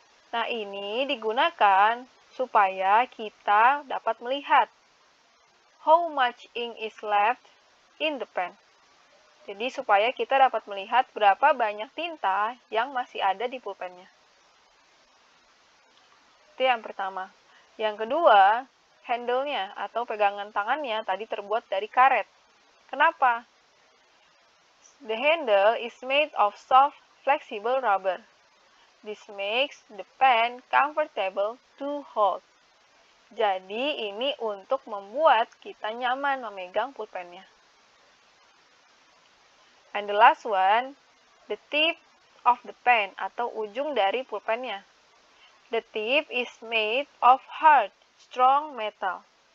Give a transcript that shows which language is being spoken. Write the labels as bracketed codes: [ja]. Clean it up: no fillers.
[id] Nah, ini digunakan supaya kita dapat melihat [en] how much ink is left in the pen. [id] Jadi, supaya kita dapat melihat berapa banyak tinta yang masih ada di pulpennya. Itu yang pertama. Yang kedua, handle-nya atau pegangan tangannya tadi terbuat dari karet. Kenapa? [en] The handle is made of soft, flexible rubber. This makes the pen comfortable to hold. [id] Jadi, ini untuk membuat kita nyaman memegang pulpennya. [en] And the last one, the tip of the pen [id] atau ujung dari pulpennya. [en] The tip is made of hard, strong metal.